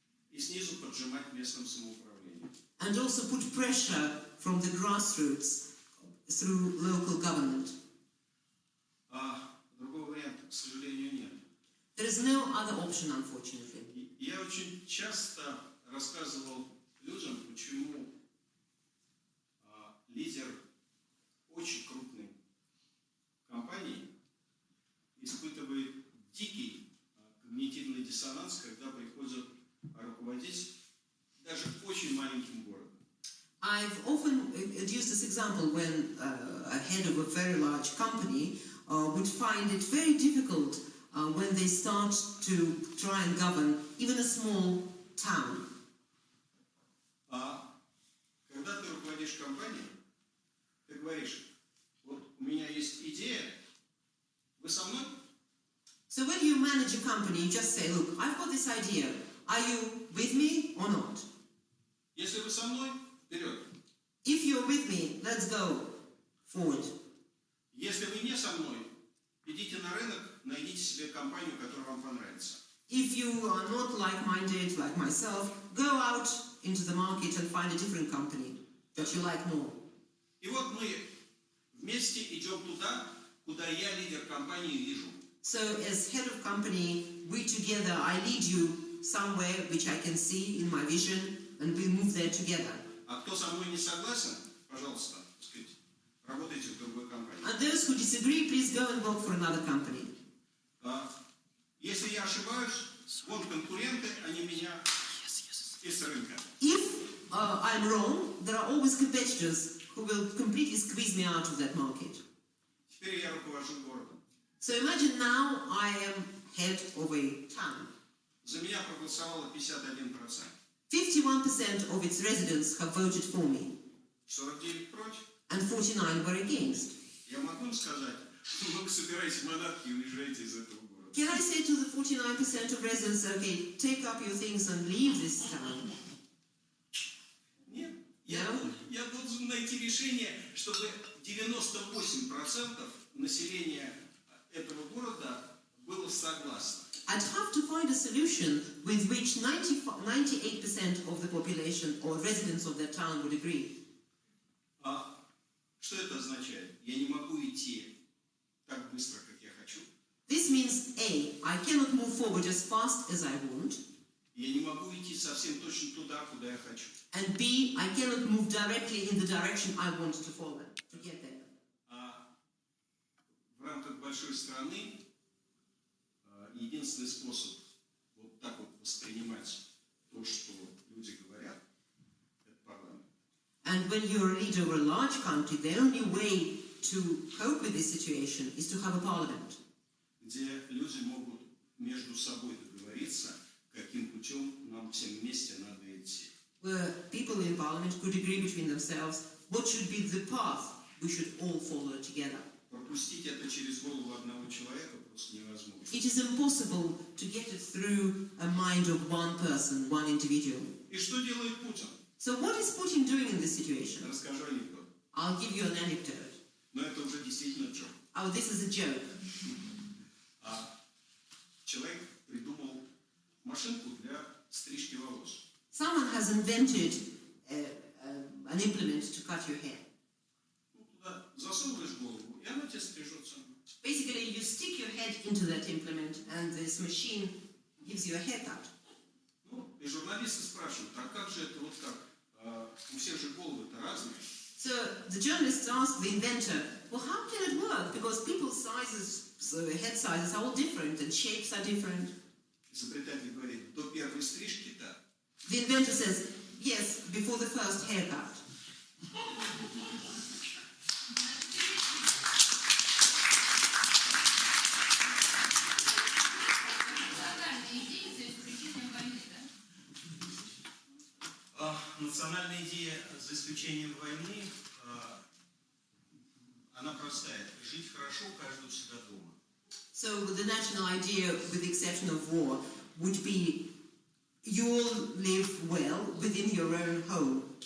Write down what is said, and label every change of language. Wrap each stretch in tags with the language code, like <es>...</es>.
<ru>И снизу поджимать местным самоуправлением.</ru> <en>And also put pressure from the grassroots through local government.</en> <ru>А другого варианта, к сожалению, нет.</ru> <en>There is no other option, unfortunately.</en> <ru>Я очень часто рассказывал людям, почему лидер очень крупной компании испытывает дикий когнитивный диссонанс, когда приходит руководить, даже даже очень маленьким городом.</ru> <en>I've often used this example when a head of a very large company would find it very difficult when they start to try and govern even a small town.</en> <ru>Когда ты руководишь компанией, ты говоришь, вот у меня есть идея, вы со мной?</ru> <en>So when you manage a company, you just say, look, I've got this idea, are you with me or not?</en> <ru>Если вы со мной, вперед.</ru> <en>If you're with me, let's go forward.</en> <ru>Если вы не со мной, идите на рынок, найдите себе компанию, которая вам понравится.</ru> <en>If you are not like-minded, like myself, go out into the market and find a different company that you like more.</en> <ru>И вот мы вместе идем туда, куда я лидер компании вижу.</ru> <en>So as head of company, we together, I lead you somewhere which I can see in my vision, and we move there together.</en> <ru>А кто со мной не согласен, пожалуйста, работайте в другой компании.</ru> <en>And those who disagree, please go and work for another company.</en> <ru>Если я ошибаюсь, вот конкуренты, они меня из рынка.</ru> <en>If I'm wrong, there are always competitors who will completely squeeze me out of that market.</en> <ru>Теперь я руковожу городом.</ru> <en>So imagine now I am head of a town.</en> <ru>За меня проголосовало 51%.</ru> <en>51% of its residents have voted for me.</en> <ru>49 против.</ru> <en>And 49 were against.</en> <ru>Я могу сказать, что вы собираете манатки и уезжаете из этого города.</ru> <en>Can I say to the 49% of residents, okay, take up your things and leave this town?</en> <ru>Нет. Я должен найти решение, чтобы 98% населения этого города было согласно.</ru> <en>I'd have to find a solution with which 98% of the population or residents of that town would agree.</en> <ru>Что это означает? Я не могу идти так быстро, как я хочу.</ru> <en>This means A. I cannot move forward as fast as I want.</en> <ru>Я не могу идти совсем точно туда, куда я хочу.</ru> <en>And B. I cannot move directly in the direction I want to follow to get there.</en> <ru>В рамках большой страны единственный способ вот так вот воспринимать то, что люди говорят, это парламент.</ru> <en>And when you're a leader of a large country, the only way to cope with this situation is to have a parliament.</en> <ru>Где люди могут между собой договориться, каким путем нам всем вместе надо идти.</ru> <en>Where people in parliament could agree between themselves what should be the path we should all follow together.</en> <ru>Пропустить это через голову одного человека просто невозможно.</ru> <en>It is impossible to get it through a mind of one person, one individual.</en> <ru>И что делает Путин?</ru> <en>So what is Putin doing in this situation?</en> <ru>Расскажу анекдот.</ru> <en>I'll give you an anecdote.</en> <ru>Но это уже действительно joke.</ru> <en>Oh, this is a joke.</en> <ru>Человек придумал машинку для стрижки волос.</ru> <en>Someone has invented an implement to cut your hair.</en> <ru>Засовываешь голову, и она тебе стрижется.</ru> <en>Basically, you stick your head into that implement, and this machine gives you a haircut.</en> <ru>Ну, и журналисты спрашивают, а как же это вот так? У всех же головы-то разные.</ru> <en>So, the journalists ask the inventor, well, how can it work? Because people's sizes, so head sizes are all different, and shapes are different.</en> <ru>Изобретатель говорит, до первой стрижки-то.</ru> <en>The inventor says, yes, before the first haircut.</en> <ru>Национальная идея за исключением войны, она простая. Жить хорошо, каждый у себя дома.</ru> <en>So the national idea, with the exception of war, would be you all live well within your own home.</en>